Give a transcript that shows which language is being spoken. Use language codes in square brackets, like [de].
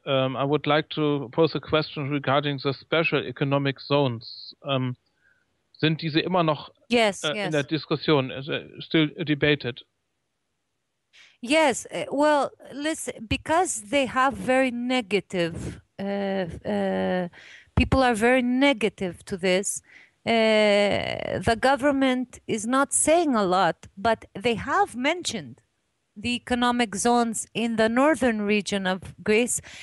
[en] I would like to pose a question regarding the special economic zones. [de] Sind diese immer noch in der Diskussion, [en] still debated? Yes, well, listen, because they have very negative, people are very negative to this. The government is not saying a lot, but they have mentioned the economic zones in the northern region of Greece.